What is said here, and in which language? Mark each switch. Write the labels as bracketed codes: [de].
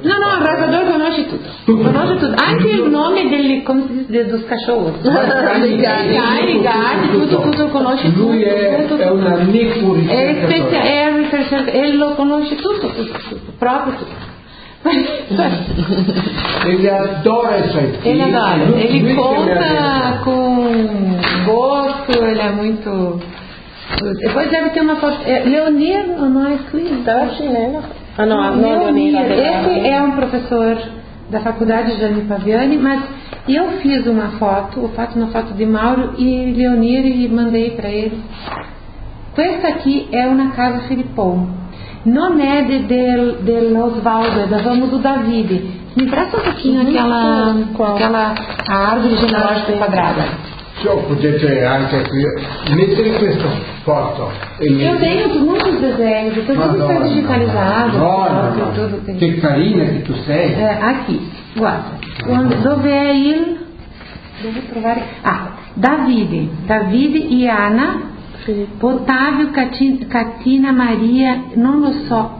[it] No, no, Rasador conosce tutto. Conosce tutto. Anche il nome delle, come si dice, [pt] dos cachorros. [it] I cani, i cani, tutto, tutto conosce tutto. Lui è un amico ricercatore. È un ricercatore, e lo conosce tutto, tutto, proprio tutto. [pt] Ele adora isso aí. Ele adora. Ele conta com gosto, ele é muito... Depois deve ter uma foto... Leonir, não é assim? Tá chinelo. Ah, não, não, não, esse é um professor da faculdade Jane Paviani, mas eu fiz uma foto, eu faço uma foto de Mauro e Leonir e mandei para ele. Essa aqui é uma casa Filippon. Não é de Osvaldo, da vamos do David. Me presta um pouquinho aquela, aquela árvore genealógica quadrada. Se eu pudesse anche aqui, [it] mettere questa foto. [pt] Eu tenho muitos desenhos, tudo está digitalizado. Olha, que carinha que [it] tu sei. [pt] É, aqui, [it] guarda. Quando dove é il. Devo provar. [pt] Ah, Davide. Davide e Ana. Sim. Otávio, Catina, Maria, não [it] lo so.